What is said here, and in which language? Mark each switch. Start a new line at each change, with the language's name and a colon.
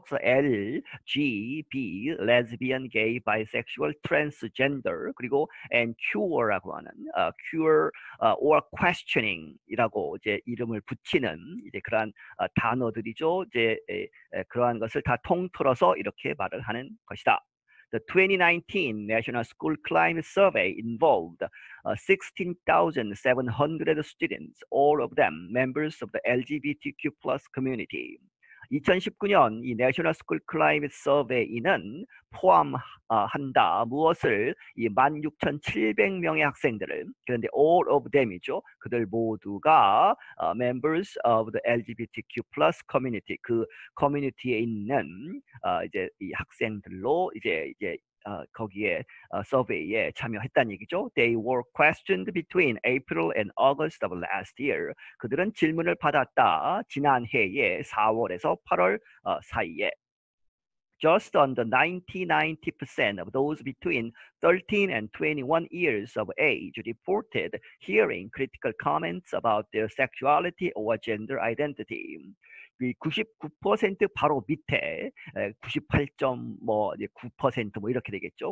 Korean: 그래서 L, G, B,
English: Lesbian, Gay, Bisexual, Transgender
Korean: 그리고 and Queer라고 하는
English: Queer or Questioning
Korean: 이라고 이제 이름을 붙이는 이제 그러한 단어들이죠. 이제 그러한 것을 다 통틀어서 이렇게 말을 하는 것이다.
English: The 2019 National School Climate Survey involved 16,700 students, all of them members of the LGBTQ plus community.
Korean: 2019년 이 National School Climate Survey는 포함한다. 무엇을? 이 16,700명의 학생들을, 그런데
English: all of them
Korean: 이죠. 그들 모두가
English: members of the LGBTQ plus community.
Korean: 그 커뮤니티에 있는 이제 이 학생들로 이제 거기에 서베이에 참여했다는 얘기죠.
English: They were questioned between April and August of last year.
Korean: 그들은 질문을 받았다. 지난해에 4월에서 8월 사이에.
English: Just under 90% of those between 13 and 21 years of age reported hearing critical comments about their sexuality or gender identity.
Korean: 99% 바로 밑에 98.9% 뭐 이렇게 되겠죠.